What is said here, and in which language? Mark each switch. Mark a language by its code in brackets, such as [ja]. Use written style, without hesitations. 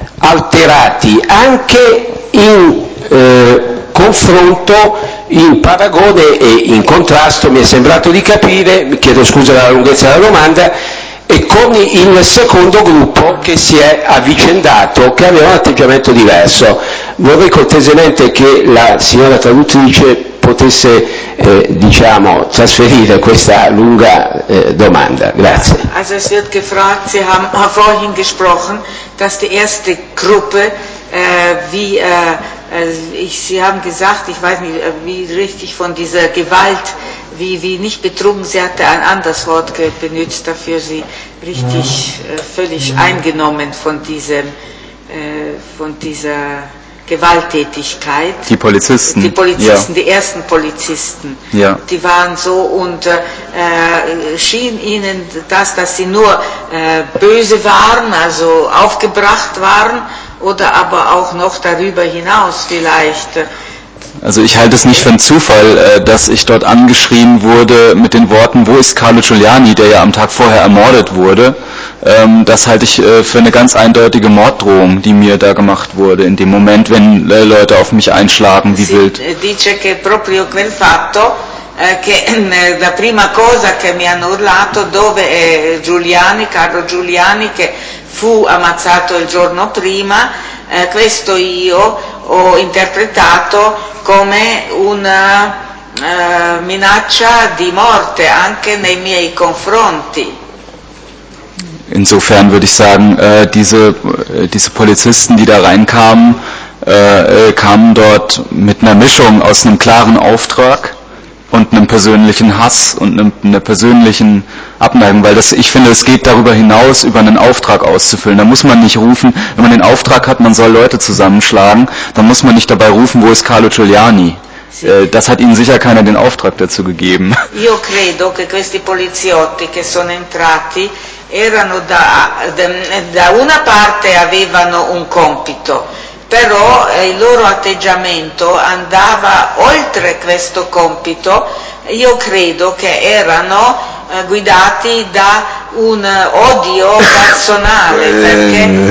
[it] alterati anche in confronto, in paragone e in contrasto, mi è sembrato di capire, mi chiedo scusa della lunghezza della domanda, e con il secondo gruppo che si è avvicendato, che aveva un atteggiamento diverso. Vorrei cortesemente che la signora traduttrice potesse diciamo trasferire questa lunga domanda. Grazie. [de] Also es wird gefragt, Sie haben vorhin gesprochen, dass die erste Gruppe wie Sie haben gesagt, ich weiß nicht wie richtig von dieser Gewalt, wie nicht betrogen, sie hatte ein anderes Wort benutzt, dafür sie richtig völlig eingenommen von diesem von dieser Gewalttätigkeit. Die Polizisten. Die Polizisten, ja. Die ersten Polizisten. Ja. Die waren so und schien ihnen das, dass sie nur böse waren, also aufgebracht waren, oder aber auch noch darüber hinaus vielleicht. Also ich halte es nicht für einen Zufall, dass ich dort angeschrien wurde mit den Worten, wo ist Carlo Giuliani, der ja am Tag vorher ermordet wurde. Das halte ich für eine ganz eindeutige Morddrohung, die mir da gemacht wurde in dem Moment, wenn Leute auf mich einschlagen, wie wild. [it] Sie dice che proprio quel fatto, che la prima cosa che mi hanno urlato, dove è Giuliani, Carlo Giuliani, che fu ammazzato il giorno prima, questo io ho interpretato come una minaccia di morte anche nei miei confronti. [de] Insofern würde ich sagen, diese Polizisten, die da reinkamen, kamen dort mit einer Mischung aus einem klaren Auftrag und einem persönlichen Hass und einer persönlichen Abneigung, weil das, ich finde, es geht darüber hinaus, über einen Auftrag auszufüllen. Da muss man nicht rufen, wenn man den Auftrag hat, man soll Leute zusammenschlagen, dann muss man nicht dabei rufen, wo ist Carlo Giuliani? Das hat ihnen sicher keiner den Auftrag dazu gegeben. [it] Io credo che questi poliziotti che sono entrati erano da una parte avevano un compito, però il loro atteggiamento andava oltre questo compito. Io credo che erano guidati da un odio personale.